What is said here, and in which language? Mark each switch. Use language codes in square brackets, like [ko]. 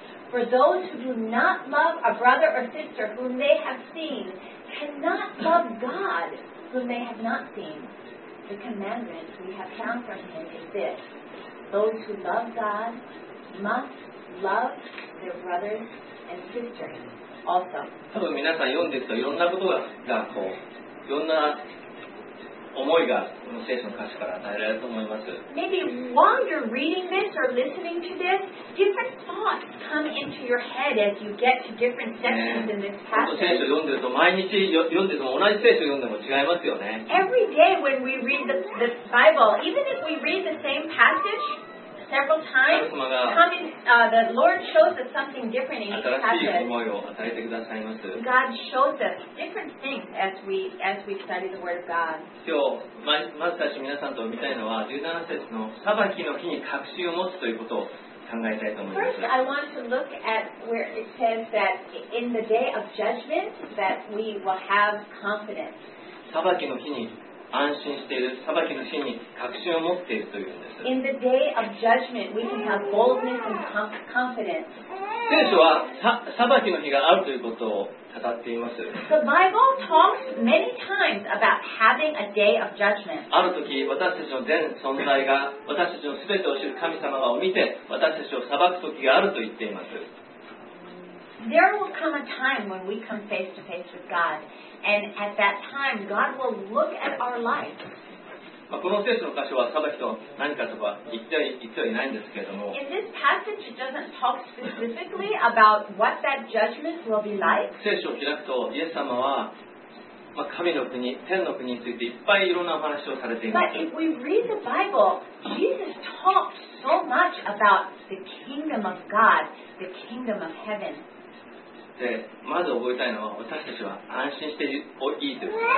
[en] For those who do not love a brother or sister whom they have seen cannot love God whom they have not seen. The commandment we have found from him is this. Those who love God must love their brothers and sisters also. [ja] 多分皆さん読んでるといろんなことがこういろんな思いがこの聖書の歌詞から与えられると思います。 [en] Maybe while you're reading this or listening to this, different thoughts come into your head as you get to different sections in this passage. [ja] 聖書読んでると毎日読んでても同じ聖書読んでも違いますよね。 [en] Every day when we read the Bible, even if we read the same passage several times, the Lord shows us something different in each passage. [ja] 新しい思いを与えてくださいます。 [en] God shows us different things as we study the Word of God. [ja] 今日、まず最初皆さんと見たいのは、17節の裁きの日に確信を持つということを考えたいと思います。 [en] First, I want to look at where it says that in the day of judgment that we will have confidence. [ja] 裁きの日に安心している、裁きの日に確信を持っているというんです。 [en] In the day of judgment, we can have boldness and confidence. [ja] 聖書は裁きの日があるということを語っています。 [en] The Bible talks many times about having a day of judgment. [ja] ある時、私たちの全存在が、私たちの全てを知る神様を見て、私たちを裁く時があると言っています。 [en] There will come a time when we come face to face with God, and at that time, God will look at our life. [ja] まあ、この聖書の箇所は裁きと何かとか言ってはいないんですけれども。 [en] In this passage, it doesn't talk specifically about what that judgment will be like. [ja] 聖書を開くと、イエス様は、まあ、神の国、天の国についていっぱいいろんなお話をされています。 [en] But if we read the Bible, Jesus talks so much about the kingdom of God, the kingdom of heaven. [ja] でまず覚えたいのは私たちは安心していいということですね。